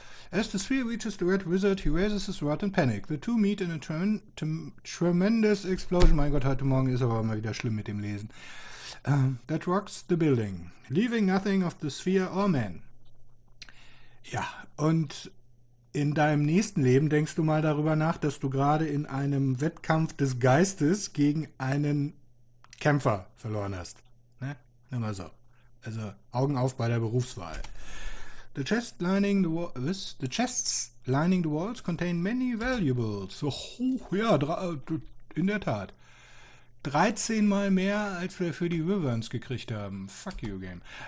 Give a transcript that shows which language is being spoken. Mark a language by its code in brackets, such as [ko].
[en] As the sphere reaches the red wizard, he raises his rod in panic. The two meet in a tremendous explosion. [de] Mein Gott, heute Morgen ist aber immer wieder schlimm mit dem Lesen. [en] That rocks the building, leaving nothing of the sphere or man. [de] Ja, und in deinem nächsten Leben denkst du mal darüber nach, dass du gerade in einem Wettkampf des Geistes gegen einen Kämpfer verloren hast. Ne? Nur mal so. Also Augen auf bei der Berufswahl. [en] The chests lining the walls contain many valuables. [de] Oh, ja, in der Tat. 13 Mal mehr, als wir für die Wyverns gekriegt haben. [en] Fuck you, Game.